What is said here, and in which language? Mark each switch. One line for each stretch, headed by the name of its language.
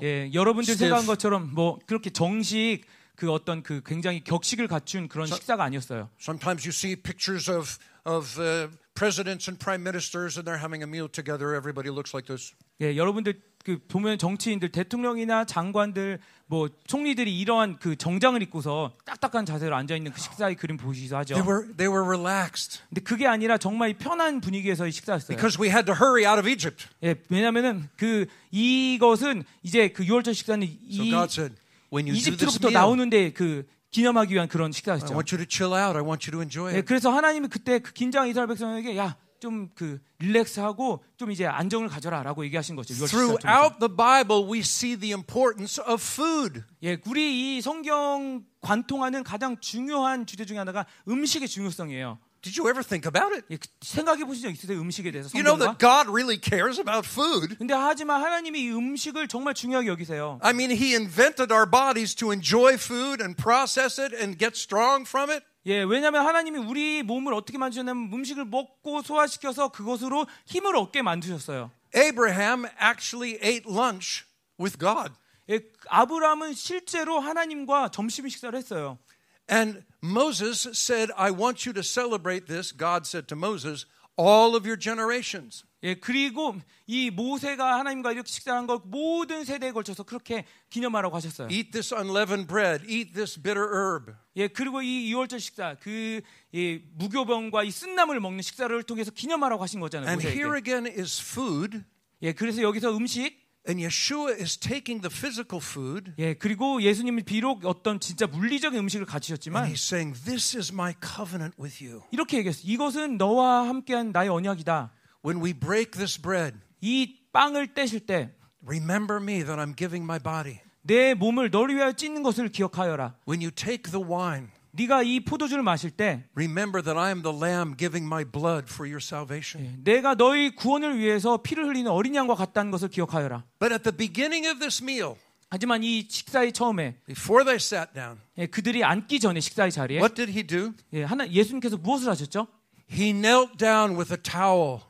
Korean: 예, 여러분들 생각한 것처럼 뭐 그렇게 정식 그 어떤 그 굉장히 격식을 갖춘 그런 식사가 아니었어요.
English: Sometimes you see pictures of presidents and prime ministers and they're having a meal together. Everybody looks like this.
Korean: 예, 여러분들 그 보면 정치인들 대통령이나 장관들 뭐 총리들이 이러한 그 정장을 입고서 딱딱한 자세로 앉아 있는 그 식사의 그림 보시기도 하죠.
English: They were relaxed.
Korean: 근데 그게 아니라 정말 편한 분위기에서 식사했어요.
English: Because we had to hurry out of Egypt.
Korean: 예, 왜냐면은 그 이것은 이제 그 유월절 식사는 이
English: So God said, When you
Korean: 이집트로부터 나오는데 그 기념하기 위한 그런 식사였죠.
English: I want you to chill out. I want you to enjoy it.
Korean: 예, 그래서 하나님이 그때 그 긴장 이스라엘 백성에게 야 좀 그 릴렉스하고 좀 이제 안정을 가져라라고 얘기하신 거죠.
English: Throughout the Bible, we see the importance of food.
Korean: 예, 우리 이 성경 관통하는 가장 중요한 주제 중에 하나가 음식의 중요성이에요.
English: Did you ever think about it?
Korean: 생각해 보신 적 있으세요? 음식에 대해서
English: You know that God really cares about food.
Korean: 근데 하지만 하나님이 음식을 정말 중요하게 여기세요.
English: I mean, he invented our bodies to enjoy food and process it and get strong from it.
Korean: 예, 왜냐면 하나님이 우리 몸을 어떻게 만드셨냐면 음식을 먹고 소화시켜서 그것으로 힘을 얻게 만드셨어요.
English: Abraham actually ate lunch with God.
Korean: 예, 아브라함은 실제로 하나님과 점심 식사를 했어요.
English: And Moses said, I want you to celebrate this, God said to Moses, all of your generations.
Korean: 예, 그리고 이 모세가 하나님과 이렇게 식사한 걸 모든 세대에 걸쳐서 그렇게 기념하라고 하셨어요.
English: Eat this unleavened bread, eat this bitter herb.
Korean: 예, 그리고 이 유월절 식사, 그 이 무교병과 이 쓴나물 먹는 식사를 통해서 기념하라고 하신 거잖아요. 모세에게.
English: And here again is food.
Korean: 예, 그래서 여기서 음식.
English: And Yeshua is taking the physical food.
Korean: 예, 그리고 예수님이 비록 어떤 진짜 물리적인 음식을 가지셨지만,
English: he's saying, "This is my covenant with you."
Korean: 이렇게 얘기했어. 이것은 너와 함께한 나의 언약이다.
English: When we break this bread,
Korean: 이 빵을 떼실 때,
English: remember me that I'm giving my body.
Korean: 내 몸을 너를 위하여 찢는 것을 기억하여라.
English: When you take the wine.
Korean: 네가 이 포도주를 마실 때
English: Remember that I am the lamb giving my blood for your salvation.
Korean: 내가 너희 구원을 위해서 피를 흘리는 어린 양과 같다는 것을 기억하여라.
English: But at the beginning of this meal.
Korean: 하지만 이 식사의 처음에
English: Before they sat down.
Korean: 예, 그들이 앉기 전에 식사의 자리에
English: What did he do?
Korean: 예, 하나 예수님께서 무엇을 하셨죠?
English: He knelt down with a towel.